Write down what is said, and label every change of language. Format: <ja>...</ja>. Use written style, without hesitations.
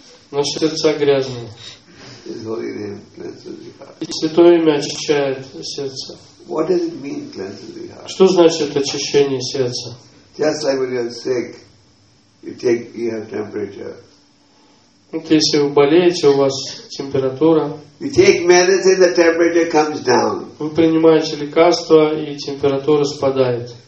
<ru>Наши сердца грязные. И Святое Имя очищает сердце.</ru> <en>What does it mean, cleansing the heart?</en> <ru>Что значит очищение сердца?</ru> <en>Just like when you're sick, you have temperature.</en> <ru>Вот если вы болеете, у вас температура.</ru> <en>You take medicine, the temperature comes down.</en> <ru>Вы принимаете лекарства, и температура спадает.</ru>